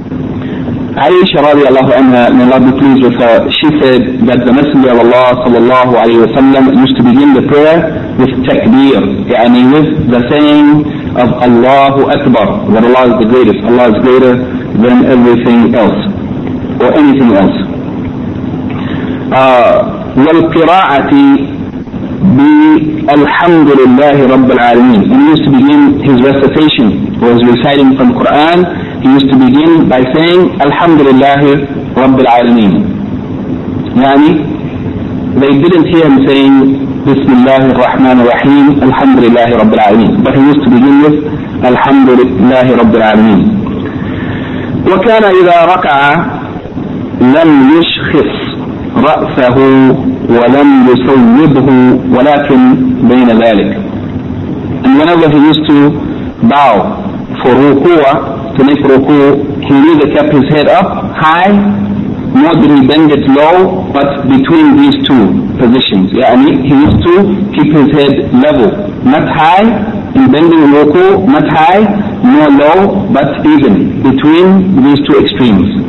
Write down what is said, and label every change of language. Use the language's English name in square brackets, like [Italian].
[English] Aisha radiallahu anha, may Allah be pleased with her, she said that the Messenger of Allah sallallahu alayhi wa sallam used to begin the prayer with takbir, yani with the saying of Allahu Akbar, that Allah is the greatest, Allah is greater than everything else, or anything else. [Arabic] والقراءة بالحمد لله رب العالمين. [English] He used to begin his recitation, or his reciting from Quran, he used to begin by saying [Arabic] الحمد لله رب العالمين. يعني [English] they didn't hear him saying [Arabic] بسم الله الرحمن الرحيم الحمد لله رب العالمين, [English] but he used to begin with [Arabic] الحمد لله رب العالمين. وكان إذا ركع لم يشخص رأسه ولم يسوده ولكن بين ذلك. [English] And whenever he used to bow for ruku'a, to make ruku', he neither kept his head up high nor did he bend it low, but between these two positions. [Arabic] يعني [English] he used to keep his head level, not high in bending ruku', not high nor low, but even between these two extremes.